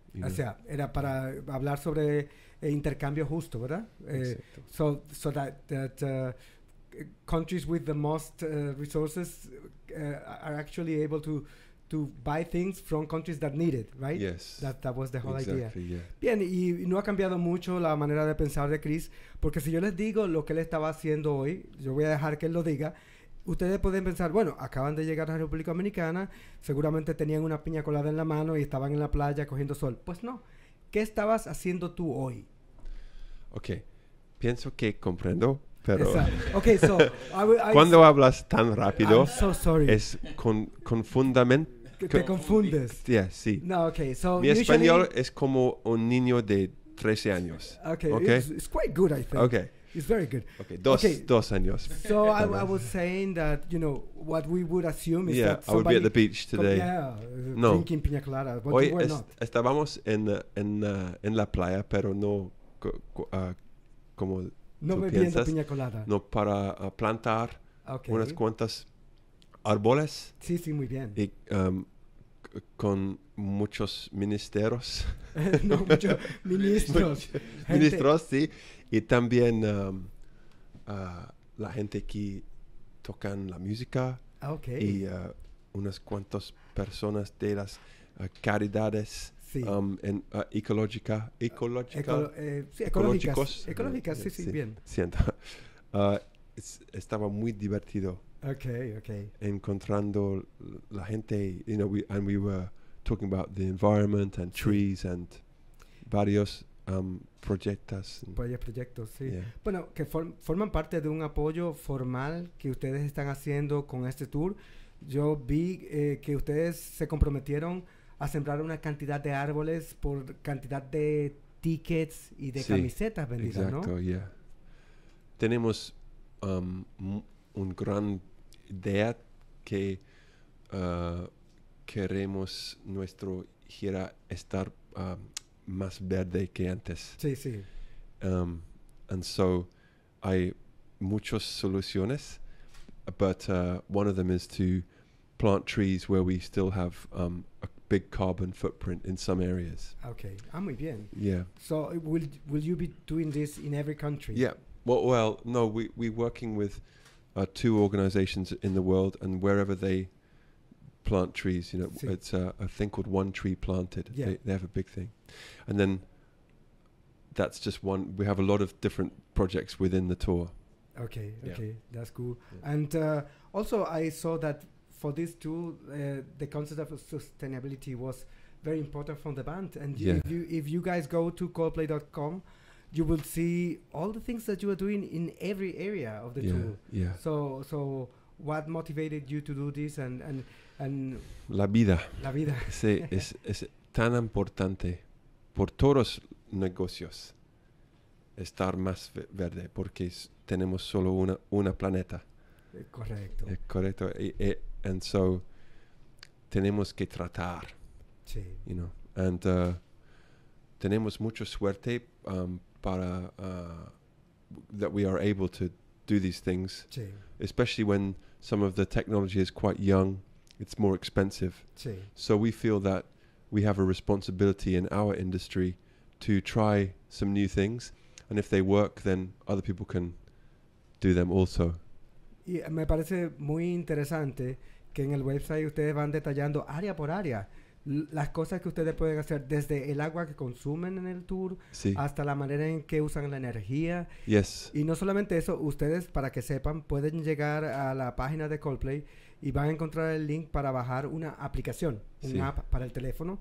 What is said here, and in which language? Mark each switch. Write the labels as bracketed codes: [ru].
[es] O sea, era para hablar sobre intercambio justo, ¿verdad? Exacto. [en] So that countries with the most resources are actually able to buy things from countries that need it, right? Yes. That was the whole exactly, idea. Yeah. [es] Bien, y no ha cambiado mucho la manera de pensar de Chris, porque si yo les digo lo que él estaba haciendo hoy, yo voy a dejar que él lo diga, ustedes pueden pensar, bueno, acaban de llegar a la República Dominicana, seguramente tenían una piña colada en la mano y estaban en la playa cogiendo sol. Pues no. ¿Qué estabas haciendo tú hoy? Ok. Pienso que comprendo, pero... [en] Okay, so, [es] cuando hablas tan rápido, [en] I'm so sorry, [es] es con fundamento. Te confundes. [en] Yeah, [es] sí. [en] No, okay. So [es] mi español es como un niño de 13 años. [en] Okay. It's quite good, I think. Okay. It's very good. Okay. [es] Dos años. [en] So I was saying that, you know, what we would assume is that somebody... I would be at the beach today. No. Drinking piña colada. But [es] hoy [en] you were not. [es] Estábamos en la playa, pero no como no tú me piensas. No bebiendo piña colada. No, para plantar unas cuantas... árboles. Sí, sí, muy bien. Y con muchos ministeros. No, muchos ministros. Ministros, sí. Y también la gente que tocan la música. Ok. Y unas cuantas personas de las caridades. Sí. Ecológica. Ecológicas. Ecológicas, sí, sí, bien. Siento. Estaba muy divertido. [en] Okay. [es] Encontrando la gente, [en] you know, we were talking about the environment and trees and [es] varios proyectos. Proyectos, sí. [en] Yeah. [es] Bueno, que forman parte de un apoyo formal que ustedes están haciendo con este tour. Yo vi que ustedes se comprometieron a sembrar una cantidad de árboles por cantidad de tickets y de camisetas vendidas, exacto, ¿no? Exacto, [en] yeah. [es] Tenemos un gran idea que queremos nuestra gira estar más verde que antes. Sí, sí. [en] And so [es] hay muchas soluciones, [en] but one of them is to plant trees where we still have a big carbon footprint in some areas. [es] Okay, muy bien. [en] Yeah. So will you be doing this in every country? Yeah. Well, no, we're working with two organizations in the world, and wherever they plant trees, you know, it's a thing called One Tree Planted. Yeah. They have a big thing. And then that's just one. We have a lot of different projects within the tour. Okay, yeah. Okay, that's cool. Yeah. And also I saw that for this tour, the concept of sustainability was very important from the band. And if you guys go to coldplay.com, you will see all the things that you are doing in every area of the tour. Yeah. So what motivated you to do this and [es] la vida. La vida. Sí, es tan importante por todos negocios estar más verde porque tenemos solo una planeta. Correcto. Correcto. [en] And so [es] tenemos que tratar. Sí. [en] You know. And [es] tenemos mucha suerte para [en] that we are able to do these things, [es] sí, [en] especially when some of the technology is quite young, it's more expensive. [es] Sí. [en] So we feel that we have a responsibility in our industry to try some new things, and if they work, then other people can do them also. [es] Y me parece muy interesante que en el website ustedes van detallando área por área las cosas que ustedes pueden hacer, desde el agua que consumen en el tour, sí, hasta la manera en que usan la energía. [en] Yes. [es] Y no solamente eso, ustedes, para que sepan, pueden llegar a la página de Coldplay y van a encontrar el link para bajar una aplicación, una, sí, app para el teléfono,